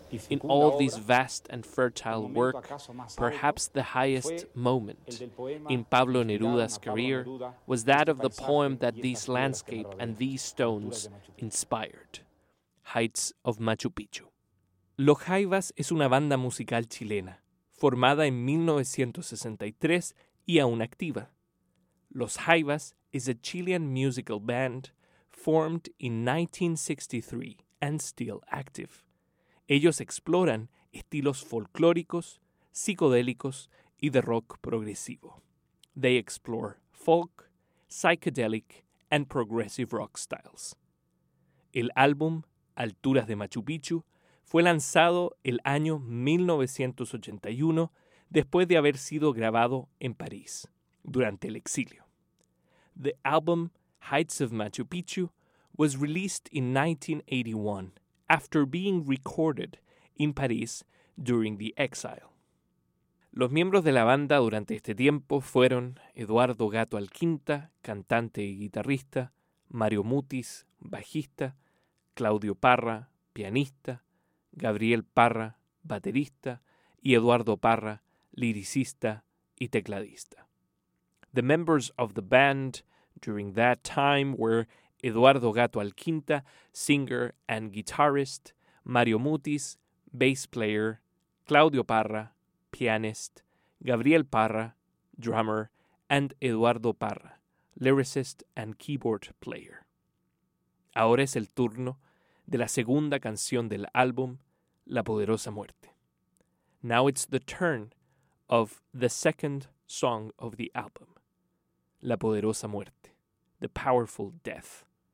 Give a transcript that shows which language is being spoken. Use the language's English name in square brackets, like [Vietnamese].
[English] In all this vast and fertile work, perhaps the highest moment in Pablo Neruda's career was that of the poem that this landscape and these stones inspired, Heights of Machu Picchu. [Spanish] Los Jaivas es una banda musical chilena, formada en 1963 y aún activa. [English] Los Jaivas is a Chilean musical band formed in 1963 and still active. [Spanish] Ellos exploran estilos folclóricos, psicodélicos y de rock progresivo. [English] They explore folk, psychedelic, and progressive rock styles. [Spanish] El álbum Alturas de Machu Picchu fue lanzado el año 1981 después de haber sido grabado en París durante el exilio. [English] The album Heights of Machu Picchu was released in 1981. After being recorded in Paris during the exile. [Spanish] Los miembros de la banda durante este tiempo fueron Eduardo Gato Alquinta, cantante y guitarrista, Mario Mutis, bajista, Claudio Parra, pianista, Gabriel Parra, baterista, y Eduardo Parra, liricista y tecladista. [English] The members of the band during that time were Eduardo Gato Alquinta, singer and guitarist, Mario Mutis, bass player, Claudio Parra, pianist, Gabriel Parra, drummer, and Eduardo Parra, lyricist and keyboard player. [Spanish] Ahora es el turno de la segunda canción del álbum, La Poderosa Muerte. [English] Now it's the turn of the second song of the album, La Poderosa Muerte, The Powerful Death.